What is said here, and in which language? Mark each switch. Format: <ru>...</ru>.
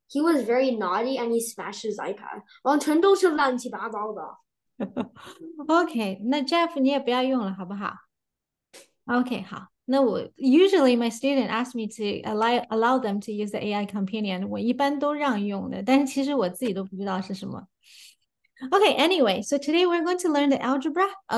<en>He was very naughty and he smashed his iPad.</en> <zh>然后全都是乱七八糟的。</zh> <en>Okay,</en> <zh>那 Jeff 你也不要用了好不好?Okay, 好, 那我,</zh> <en>usually my student asks me to allow them to use the AI companion.</en> <zh>我一般都让用的, 但其实我自己都不知道是什么。</zh> <en>Okay, anyway, so today we're going to learn the algebra.</en>